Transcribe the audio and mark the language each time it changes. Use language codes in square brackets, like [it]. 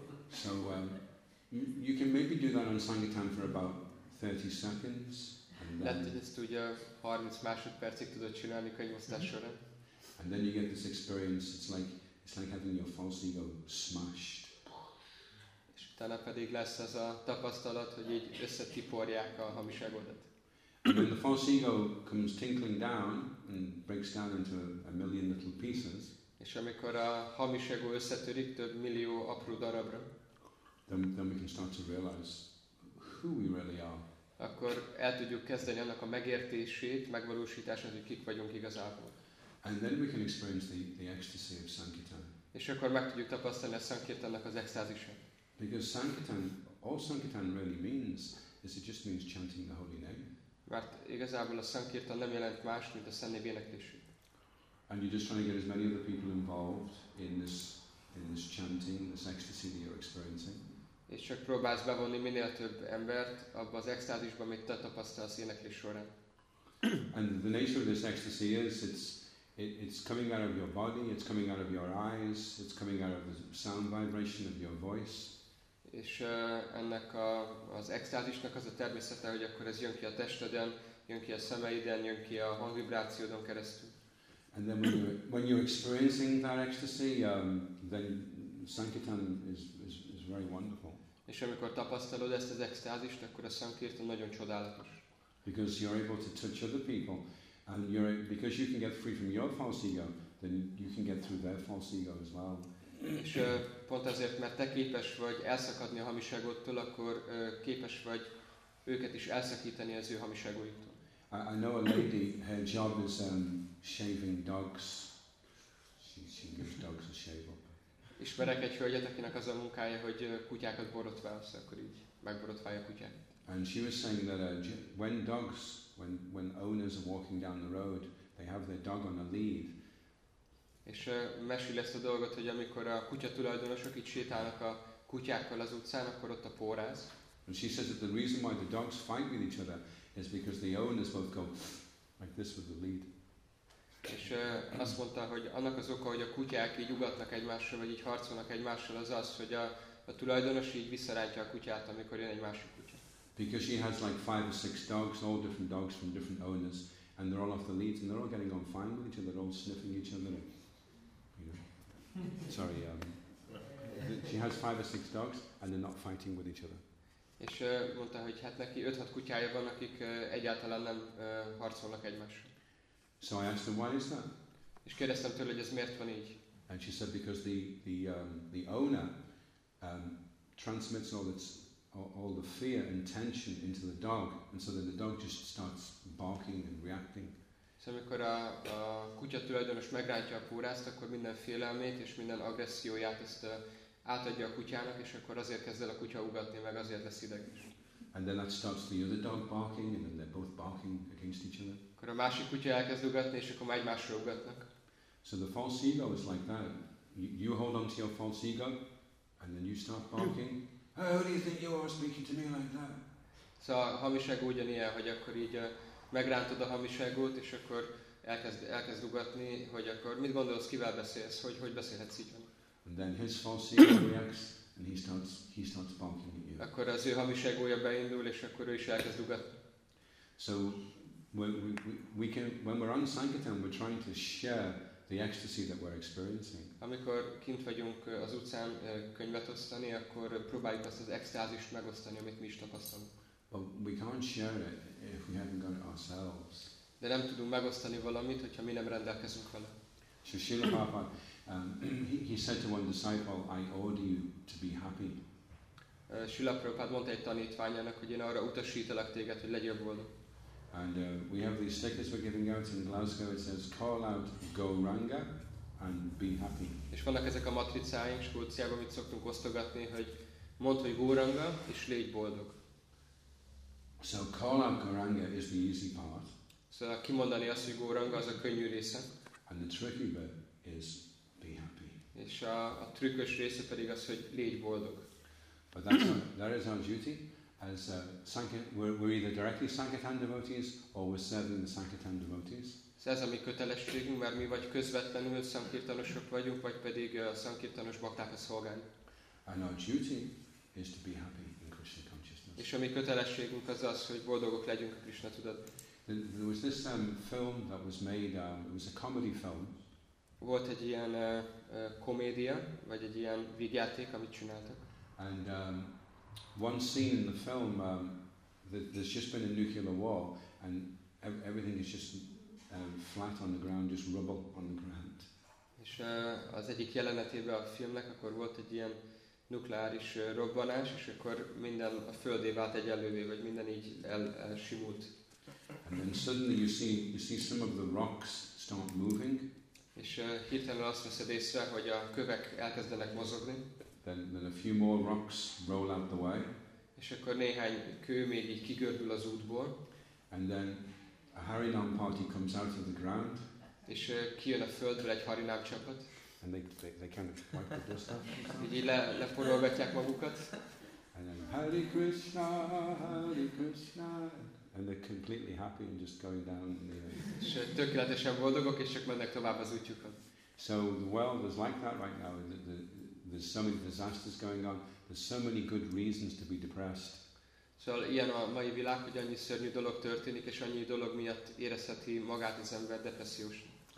[en] So, you can maybe do that on Sangitán for about 30 seconds. [hu] Lehet, hogy ezt ugye 30 másodpercig tudod csinálni könyvosztás során. [en] And then you get this experience, it's like having your false ego smashed. [hu] És utána pedig lesz ez a tapasztalat, hogy így összetiporják a hamiságodat. [en] When the false ego comes tinkling down and breaks down into a million little pieces, [hu] és amikor a hamis ego összetörik több millió apró darabra, [en] then we can start to realize who we really are. [hu] Akkor el tudjuk kezdeni annak a megértését, megvalósítását, hogy kik vagyunk igazából. [en] And then we can experience the ecstasy of Sankirtan. [hu] És akkor meg tudjuk tapasztalni a Sankirtannak az extázisát. [en] Because Sankirtan, all Sankirtan really means is it just means chanting the holy name. [hu] Mert igazából a Sankirtan nem jelent más, mint a szennév éneklésük. [en] And you're just trying to get as many other people involved in this chanting, this ecstasy that you're experiencing. [hu] És csak próbálsz bevonni minél több embert abba az extázisba, amit te tapasztalsz éneklés során. [en] And the nature of this ecstasy is it's coming out of your body, it's coming out of your eyes, it's coming out of the sound vibration of your voice. [hu] És ennek az extázisnak az a természete, hogy akkor ez jön ki a testeden, jön ki a szemeiden, jön ki a hangvibrációdon keresztül. [en] And then when you're experiencing that ecstasy, then Sankirtan is very wonderful. [hu] És amikor tapasztalod ezt az extázist, akkor a Sankirtan nagyon csodálatos. [en] Because you're able to touch other people, and because you can get free from your false ego, then you can get through their false ego as well. [hu] És pont azért, mert te képes vagy elszakadni a hamiságodtól, akkor képes vagy őket is elszakítani az ő hamiságaiktól. [en] I know a lady, her job is shaving dogs. She gives dogs a shave up. [hu] Ismerek egy hölgyet, akinek az a munkája, hogy kutyákat borotválsz, akkor így megborotválja kutyát. [en] And she was saying that when owners are walking down the road, they have their dog on a lead. [hu] És mesél ezt a dolgot, hogy amikor a kutya tulajdonosok itt sétálnak a kutyákkal az utcán, akkor ott a póráz. [en] And she says that the reason why the dogs fight with each other is because the owners both go like this with the lead. [hu] És azt mondta, hogy annak az oka, hogy a kutyák így ugatnak egymással, vagy így harcolnak egymással, az, hogy a tulajdonos így visszarántja a kutyát, amikor jön egy másik kutya. [en] Because she has like 5 or 6 dogs, all different dogs from different owners, and they're all off the leads, and they're all getting on fine with each other, all sniffing each other. Sorry, she has 5 or 6 dogs and they're not fighting with each other. [hu] És mondta, hogy hát neki 5-6 kutyája van, akik egyáltalán nem harcolnak egymással. [en] So I asked her, why is that? [hu] És kérdeztem tőle, hogy ez miért van így. [en] And she said, because the owner transmits all the fear and tension into the dog, and so then the dog just starts barking and reacting. [hu] Szóval amikor a kutya tulajdonos megrántja a pórázt, akkor minden félelmét és minden agresszióját ezt átadja a kutyának, és akkor azért kezd el a kutya ugatni, meg azért lesz ideg is. [en] And then that starts the other dog barking, and then they're both barking against each other. [hu] Akkor a másik kutya elkezd ugatni, és akkor már egymásra ugatnak. [en] So the false ego is like that. You hold on to your false ego, and then you start barking. Oh, who do you think you are speaking to me like that? [hu] Szóval a hamiság ugyanilyen, hogy akkor így megrántod a hamiságot, és akkor elkezd ugatni, hogy akkor mit gondolsz, kivel beszélsz, hogy beszélhetsz így. [en] And then his false ego reacts, and he starts bumping at you. [hu] Akkor az ő hamiságója beindul, és akkor ő is elkezd ugatni. [en] So when we're on Sankirtan, we're trying to share the ecstasy that we're experiencing. [hu] Amikor kint vagyunk az utcán könyvet osztani, akkor próbáljuk azt az extázist megosztani, amit mi is tapasztalunk. [en] But we can't share it if we haven't got it ourselves. [hu] De nem tudunk megosztani valamit, hogyha mi nem rendelkezünk vele. [en] So Srila Prabhupada, he said to one disciple, I order you to be happy. [hu] Srila Prabhupada mondta egy tanítványának, hogy én arra utasítalak téged, hogy legyél boldog. [en] And we have these stickers we're giving out in Glasgow. It says, call out Gauranga and be happy. [hu] És vannak ezek a matricáink, Skóciában, amit szoktunk osztogatni, hogy mondd, hogy Gauranga, és légy boldog. [en] So call out Gauranga is the easy part. [hu] Szóval kimondani azt, hogy Gauranga, az a könnyű része. [en] And the tricky bit is be happy. [hu] És a trükkös része pedig az, hogy légy boldog. [en] But that is our duty. As we're either directly Sankirtan devotees or we're serving the Sankirtan devotees. [hu] Szóval ez a mi kötelességünk, mert mi vagy közvetlenül szankirtanosok vagyunk, vagy pedig a szankirtanos baktákhoz szolgálunk. [en] And our duty is to be happy in Krishna consciousness. [hu] És a mi kötelességünk az, hogy boldogok legyünk a Krishna tudatban. [en] There was this film that was made. It was a comedy film. [hu] Volt egy ilyen komédia, vagy egy ilyen vígjáték, amit csináltak. [en] And one scene in the film, there's just been a nuclear war, and everything is just flat on the ground, just rubble on the ground. [hu] És az egyik jelenetében a filmnek akkor volt egy ilyen nukleáris robbanás, és akkor minden a földé vált egyenlővé, vagy minden így elsimult. [en] And then suddenly you see some of the rocks start moving. [hu] És hirtelen azt veszed észre, hogy a kövek elkezdenek mozogni. [en] Then a few more rocks roll out the way. [hu] És akkor néhány kő még így kigördül az útból. [en] And then a Harinam party comes out of the ground. [hu] És kijön a földből egy Harinam csapat. [en] And they kind of wipe the dust off. [hu] Így leforgatják magukat. [en] And then Hare Krishna, Hare Krishna. And they're completely happy and just going down in the air. [hu] És tökéletesen boldogok, és csak mennek tovább az útjukon. [en] So the world is like that right now. There's so many disasters going on. There's so many good reasons to be depressed. [hu] Szóval ilyen a mai világ, hogy annyi szörnyű dolog történik, és annyi dolog miatt érezheti magát az ember depressziósan.